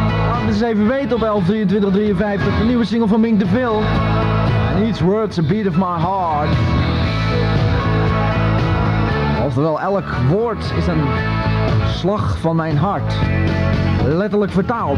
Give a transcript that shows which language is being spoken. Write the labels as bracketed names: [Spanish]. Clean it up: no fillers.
[Dutch] Laat het eens even weten op 11.23.53. De nieuwe single van Mink DeVille. [English] And each word's a beat of my heart. [Dutch] Oftewel, elk woord is een slag van mijn hart. Letterlijk vertaald.